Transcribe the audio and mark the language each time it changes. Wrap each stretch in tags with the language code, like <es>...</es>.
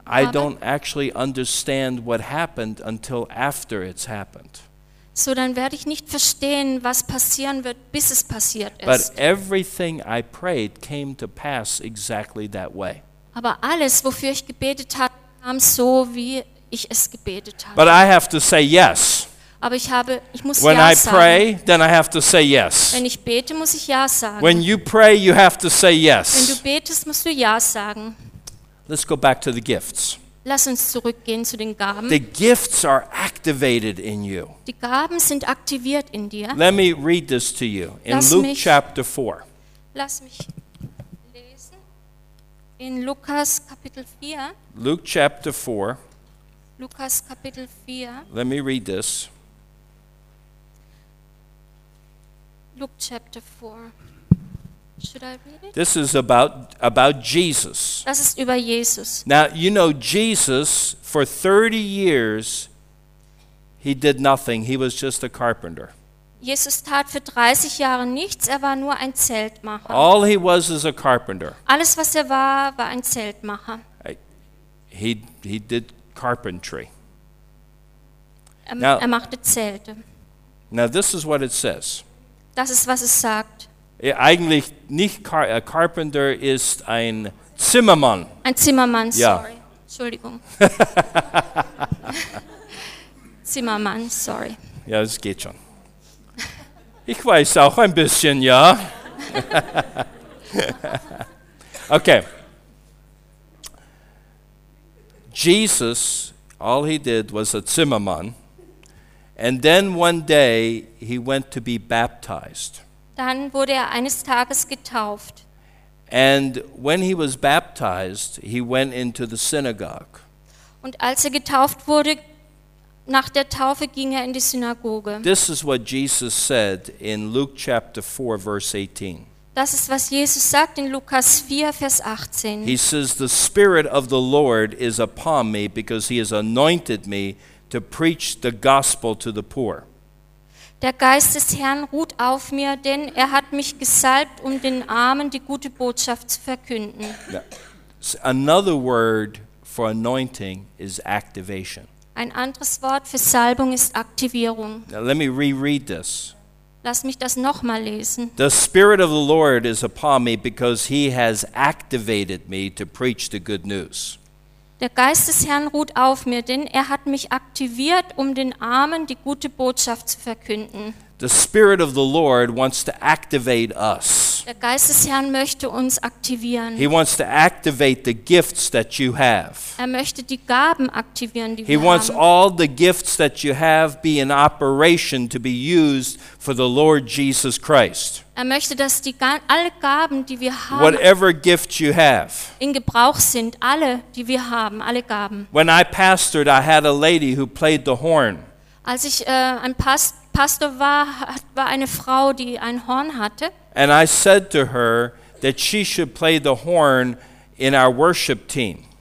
<en>I don't actually understand what happened until after it's happened.</en> <de>So dann werde ich nicht verstehen, was passieren wird, bis es passiert ist.</de> <en>But everything I prayed came to pass exactly that way.</en> <de>Aber alles, wofür ich gebetet habe, kam so, wie ich es gebetet habe.</de> <en>But I have to say yes.</en> <de>Aber ich muss</de> <en>when</en> <de>ja</de> <en>I</en> <de>sagen.</de> <en>Pray, then I have to say yes.</en> <de>Wenn ich bete, muss ich ja sagen.</de> <en>When you pray, you have to say yes.</en> <de>Wenn du betest, musst du ja sagen.</de> <en>Let's go back to the gifts.</en> <de>Lass uns zurückgehen zu den Gaben.</de> <en>The gifts are activated in you.</en> <de>Die Gaben sind aktiviert in dir.</de> <en>Let me read this to you in Luke chapter 4.</en> <de>Lass mich lesen in Lukas Kapitel 4.</de> <en>Luke chapter 4.</en> <de>Lukas Kapitel 4.</de> <en>Let me read this. Luke chapter 4. Should I read it? This is about Jesus.</en> <de>Das ist über Jesus.</de> <en>Now, you know, Jesus, for 30 years, he did nothing. He was just a carpenter.</en> <de>Jesus tat für 30 Jahre nichts, er war nur ein Zeltmacher.</de> <en>All he was is a carpenter.</en> <de>Alles, was er war, war ein Zeltmacher.</de> <en>He did carpentry.</en> <de>Now, er machte Zelte.</de> <en>Now this is what it says.</en> <de>Das ist, was es sagt. Eigentlich nicht</de> <en>a carpenter</en> <de>ist ein Zimmermann. Ein Zimmermann, sorry. Yeah. Entschuldigung. Zimmermann, sorry. Ja, es geht schon. Ich weiß auch ein bisschen, ja. Okay.</de> <en>Jesus, all he did was a Zimmermann. And then one day he went to be baptized.</en> <de>Dann wurde er eines Tages getauft.</de> <en>And when he was baptized, he went into the synagogue.</en> <de>Und als er getauft wurde, nach der Taufe ging er in die Synagoge.</de> <en>This is what Jesus said in Luke chapter 4 verse 18.</en> <de>Das ist, was Jesus sagt in Lukas 4 Vers 18.</de> <en>He says, "The Spirit of the Lord is upon me because he has anointed me to preach the gospel to the poor."</en> <de>Der Geist des Herrn ruht auf mir, denn er hat mich gesalbt, um den Armen die gute Botschaft zu verkünden.</de> <en>Another word for anointing is activation.</en> <de>Ein anderes Wort für Salbung ist Aktivierung.</de> <en>Now let me reread this.</en> <de>Lass mich das noch mal lesen.</de> <en>The Spirit of the Lord is upon me because he has activated me to preach the good news.</en> <de>Der Geist des Herrn ruht auf mir, denn er hat mich aktiviert, um den Armen die gute Botschaft zu verkünden.</de> <en>The Spirit of the Lord wants to activate us.</en> <de>Der Geist des Herrn möchte uns aktivieren.</de> <en>He wants to activate the gifts that you have.</en> <de>Er möchte die Gaben aktivieren, die</de> <en>He</en> <de>wir</de> <en>wants</en> <de>haben.</de> <en>All the gifts that you have be in operation to be used for the Lord Jesus Christ.</en> <de>Er möchte, dass die alle Gaben, die wir haben,</de> <en>whatever gifts you have,</en> <de>in Gebrauch sind, alle, die wir haben, alle Gaben.</de> <en>When I pastored, I had a lady who played the horn.</en> <de>Als ich ein Pastor war, war eine Frau, die ein Horn hatte.</de> <en>And I said to her that she should play the horn in our worship team.</en>